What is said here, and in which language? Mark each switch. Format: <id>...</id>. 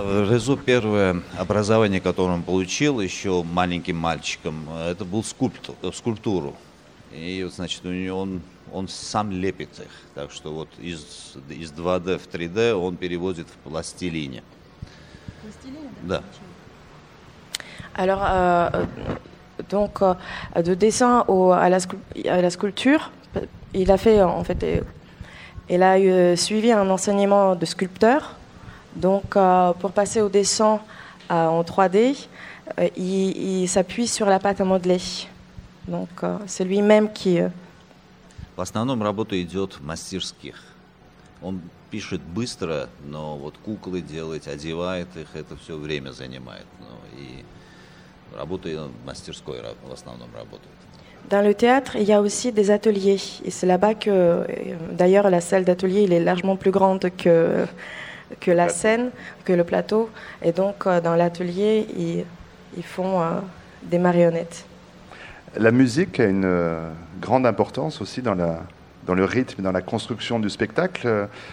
<ru>Резо первое образование, которое он получил еще маленьким мальчиком, это был скульптуру. И вот, значит, у него он сам лепит их. Так что вот из 2D в 3D он переводит в пластилине. Пластилине, да? Да.</ru> <fr>Alors, donc, de dessin à la sculpture, il a fait, en fait, il a suivi un enseignement de sculpteur. Donc, pour passer au dessin en 3D, il s'appuie sur la pâte à modeler. Donc, c'est lui-même qui.</fr> <ru>В основном работа идет в мастерских. Он пишет быстро, но вот куклы делать, одевает их, это все время занимает. Ну, и работа в мастерской в основном работает.</ru> <fr>Dans le théâtre, il y a aussi des ateliers. Et c'est là-bas que... D'ailleurs, la salle d'atelier, elle est largement plus grande que la scène, que le plateau. Et donc, dans l'atelier, ils font des marionnettes. La musique a une grande importance aussi dans le rythme, dans la construction du spectacle.</fr>